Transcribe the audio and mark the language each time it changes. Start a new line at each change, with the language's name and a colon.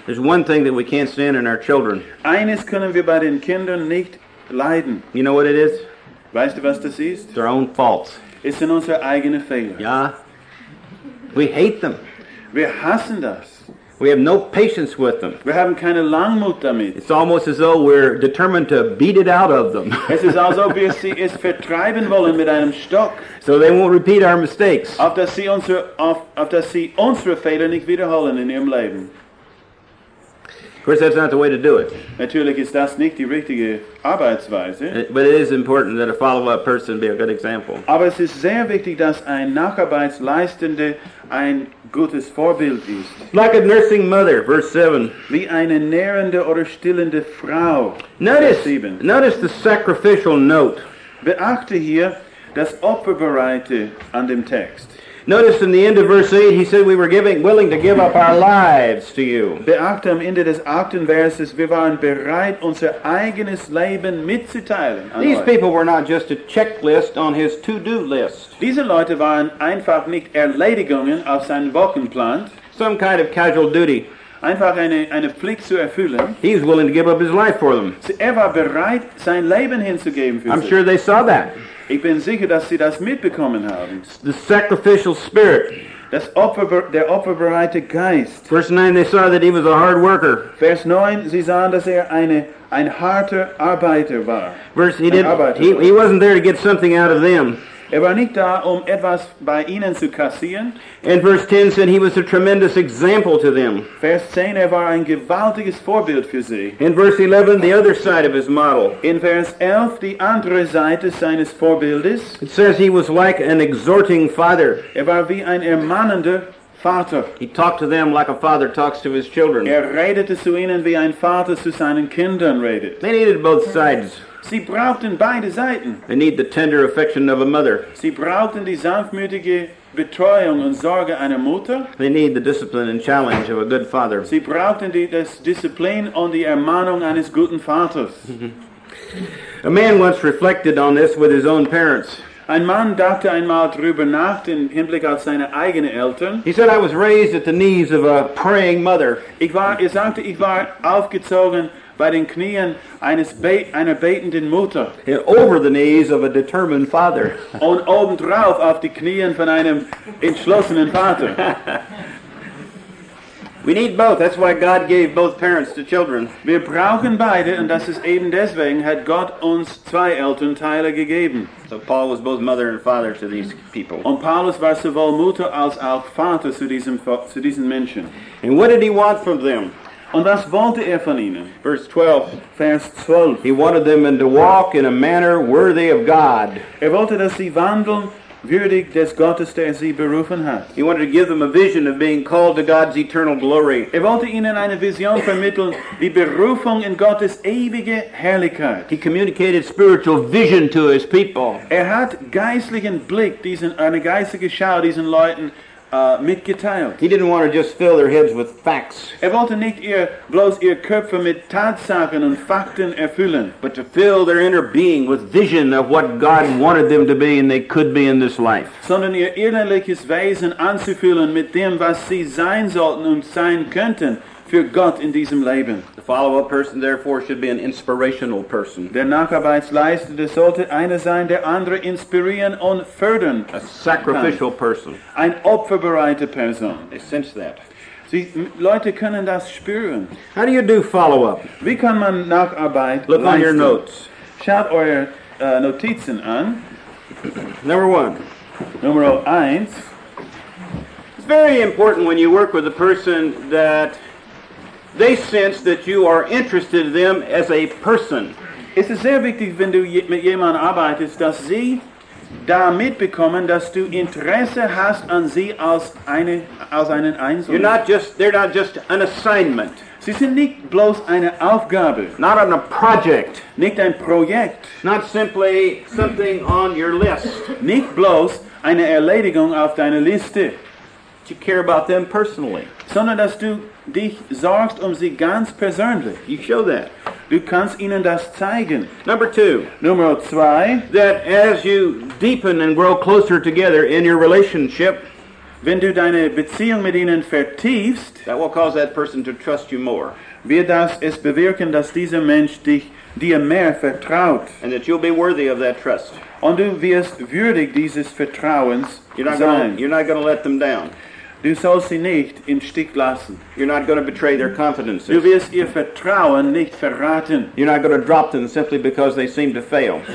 English: There's one thing that we can't stand in our children.
German: Eines können wir bei den Kindern nicht leiden.
English: You know what it is?
German: Weißt du, was das ist?
English: Their own faults.
German: Es sind unsere eigenen Fehler. Ja.
English: We hate them.
German: Wir hassen das.
English: We have no patience with them.
German: Wir haben keine Langmut damit.
English: It's almost as though we're determined to beat it out of them.
German: Es ist, als ob wir sie es vertreiben wollen mit einem Stock.
English: So they won't repeat our mistakes.
German: Auf dass sie unsere Fehler nicht wiederholen in ihrem Leben.
English: Of course, that's not the way to do it.
German: Natürlich ist das nicht die richtige Arbeitsweise.
English: But it is important that a follow-up person be a good example.
German: Aber es ist sehr wichtig, dass ein Nacharbeitsleistender ein gutes Vorbild ist.
English: Like a nursing mother, verse 7.
German: Wie eine nährende oder stillende Frau.
English: Notice the sacrificial note.
German: Beachte hier das Opferbereite an dem Text.
English: Notice in the end of verse 8, he said we were willing to give up our lives to you.
German: Beachte am Ende des 8. Verses, wir waren bereit, unser eigenes Leben mitzuteilen.
English: These people were not just a checklist on his to-do list.
German: Diese Leute waren einfach nicht Erledigungen auf seinen Wochenplan.
English: Some kind of casual duty.
German: Einfach eine Pflicht zu erfüllen.
English: He was willing to give up his life for them.
German: Er war bereit, sein Leben hinzugeben für sie.
English: I'm sure they saw that.
German: Ich bin sicher, dass sie das mitbekommen haben.
English: The sacrificial spirit.
German: Der opferbereite Geist.
English: Verse 9, they saw that he was a hard worker.
German: Vers 9, sie sahen, dass ein harter Arbeiter war.
English: He wasn't there to get something out of them.
German: Er war nicht da, etwas bei ihnen zu kassieren.
English: And verse 10 said he was a tremendous example to them.
German: Vers 10, er war ein gewaltiges Vorbild für sie.
English: In verse 11, the other side of his model.
German: In Vers 11, die andere Seite seines Vorbildes.
English: It says he was like an exhorting father.
German: Er war wie ein ermahnender Vater.
English: He talked to them like a father talks to his children.
German: Er redete zu ihnen, wie ein Vater zu seinen Kindern redet.
English: They needed both sides.
German: Sie brauchten beide Seiten.
English: They need the tender affection of a mother.
German: Sie brauchten die sanftmütige Betreuung und Sorge einer Mutter.
English: They need the discipline and challenge of a good father.
German: Sie brauchen die das Disziplin und die Ermahnung eines guten Vaters.
English: A man once reflected on this with his own parents.
German: Ein Mann dachte einmal drüber nach im Hinblick auf seine eigenen Eltern.
English: He said, "I was raised at the knees of a praying mother."
German: Ich war aufgezogen bei den Knien einer betenden Mutter.
English: And over the knees of a determined father.
German: Und obendrauf auf die Knien von einem entschlossenen Vater.
English: We need both. That's why God gave both parents to children.
German: Wir brauchen beide, und das ist eben deswegen, hat Gott uns zwei Elternteile gegeben.
English: So Paul was both mother and father to these people.
German: Und Paulus war sowohl Mutter als auch Vater zu diesen Menschen.
English: And what did he want from them?
German: Und was wollte er von ihnen? Vers 12.
English: He wanted them to walk in a manner worthy of God.
German: Er wollte, dass sie wandeln würdig des Gottes, der sie berufen hat.
English: He wanted to give them a vision of being called to God's eternal glory.
German: Er wollte ihnen eine Vision vermitteln, die Berufung in Gottes ewige Herrlichkeit.
English: He communicated spiritual vision to his people.
German: Er hat geistlichen Blick, eine geistliche Schau diesen Leuten mitgeteilt.
English: He didn't want to just fill their heads with facts.
German: Er wollte nicht bloß ihr Köpfe mit Tatsachen und Fakten erfüllen,
English: but to fill their inner being with vision of what God wanted them to be and they could be in this life.
German: Sondern ihr innerliches Wesen anzufüllen mit dem, was sie sein sollten und sein könnten für Gott in diesem Leben.
English: The follow-up person, therefore, should be an inspirational person.
German: Der Nacharbeitsleiter sollte einer sein, der andere inspirieren und fördern.
English: A sacrificial person.
German: Ein opferbereiter Person.
English: They sense that.
German: Sie, Leute können das spüren.
English: How do you do follow-up?
German: Wie kann man Nacharbeit
English: Look
German: leisten?
English: On your notes.
German: Schaut eure Notizen an.
English: Number one. It's very important when you work with a person that they sense that you are interested in them as a person.
German: Es ist sehr wichtig, wenn du mit jemandem arbeitest, dass sie damit bekommen, dass du Interesse hast an sie als einen Einzelnen.
English: They're not just an assignment.
German: Sie sind nicht bloß eine Aufgabe.
English: Not on a project.
German: Nicht ein Projekt.
English: Not simply something on your list.
German: Nicht bloß eine Erledigung auf deiner Liste.
English: To care about them personally.
German: Sondern dass du dich sorgst sie ganz persönlich.
English: You show that.
German: Du kannst ihnen das zeigen.
English: Number two. That as you deepen and grow closer together in your relationship,
German: wenn du deine Beziehung mit ihnen vertiefst,
English: that will cause that person to trust you more.
German: Wird das es bewirken, dass dieser Mensch dir mehr vertraut.
English: And that you'll be worthy of that trust.
German: Und du wirst würdig dieses Vertrauens sein.
English: You're not going to let them down.
German: Du sollst sie nicht im Stich lassen.
English: You're not going to betray their confidences.
German: Du wirst ihr Vertrauen nicht verraten.
English: You're not going to drop them simply because they seem to fail.